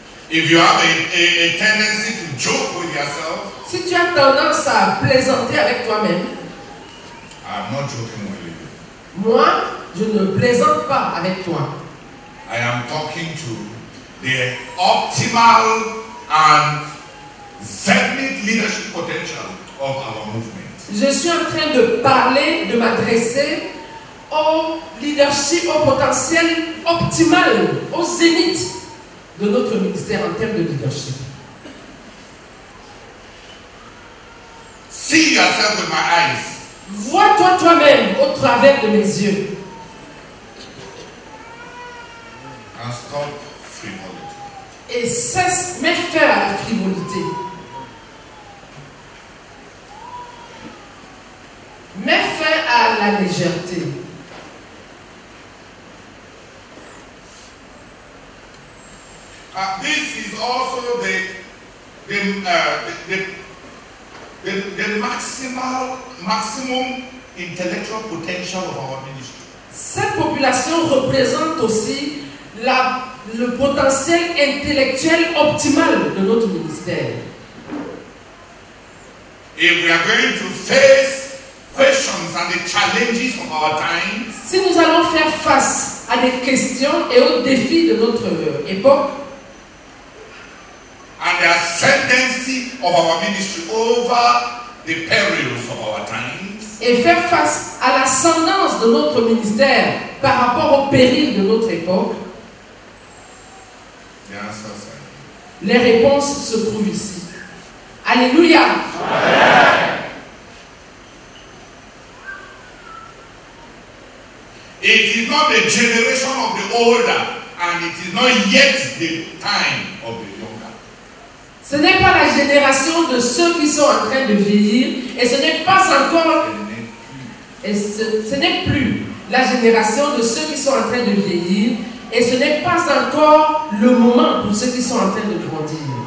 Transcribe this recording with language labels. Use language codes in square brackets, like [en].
[en] If you have a tendency to joke with yourself, [fr] si tu as tendance à plaisanter avec toi-même, [en] I'm not joking with you. [fr] Moi, je ne plaisante pas avec toi. [en] I am talking to the optimal and zenith leadership potential of our movement. [fr] Je suis en train de parler, de m'adresser au leadership, au potentiel optimal, au zénith de notre ministère en termes de leadership. [en] See yourself with my eyes. [fr] Vois-toi toi-même au travers de mes yeux. [en] And stop frivolity. [fr] Et cesse, mets fin à la frivolité. Mets fin à la légèreté. [en] This is also the maximum intellectual potential of our ministry. [fr] Cette population représente aussi le potentiel intellectuel optimal de notre ministère. [en] If we are going to face questions and the challenges of our times, [fr] si nous allons faire face à des questions et aux défis de notre époque, [en] and the ascendancy of our ministry over the perils of our times, [fr] et faire face à l'ascendance de notre ministère par rapport aux périls de notre époque, [en] yes, [fr] les réponses se trouvent ici. Alléluia! [en] It is not the generation of the older, and it is not yet the time of the younger. [fr] Ce n'est pas la génération de ceux qui sont en train de vieillir et ce n'est pas encore et ce n'est plus la génération de ceux qui sont en train de vieillir et ce n'est pas encore le moment pour ceux qui sont en train de grandir.